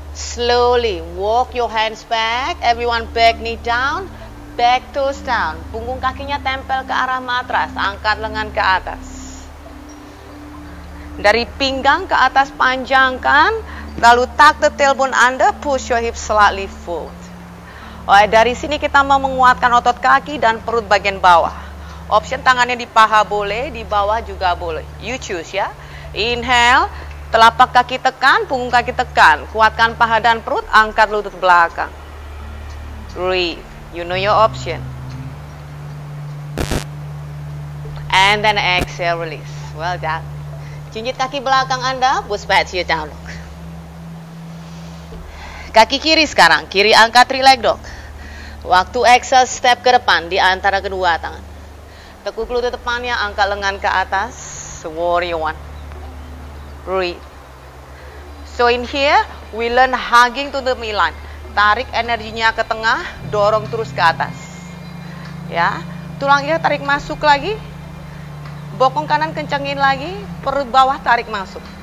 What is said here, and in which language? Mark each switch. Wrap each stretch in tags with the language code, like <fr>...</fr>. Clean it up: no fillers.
<en>Slowly walk your hands back. Everyone back knee down, back toes down.</en> <id>Punggung kakinya tempel ke arah matras. Angkat lengan ke atas. Dari pinggang ke atas panjangkan.</id> <en>Lalu tuck the tailbone under, push your hips slightly forward.</en> <id>Oleh dari sini kita mau menguatkan otot kaki dan perut bagian bawah. Option tangannya di paha boleh, di bawah juga boleh.</id> <en>You choose</en> <id>ya. Inhale, telapak kaki tekan, punggung kaki tekan. Kuatkan paha dan perut, angkat lutut belakang. Breathe,</id> <en>you know your option. And then exhale, release. Well done.</en> <id>Cincit kaki belakang Anda,</id> <en>push back to your downward.</en> <id>Kaki kiri sekarang, kiri angkat,</id> <en>relax dog.</en> <id>Waktu exhale, step ke depan di antara kedua tangan. Tekuk lutut depannya, angkat lengan ke atas.</id> <en>Warrior one. Breathe. So in here, we learn hugging to the midline.</en> <id>Tarik energinya ke tengah, dorong terus ke atas. Ya, tulang iliak tarik masuk lagi. Bokong kanan kencengin lagi, perut bawah tarik masuk.</id>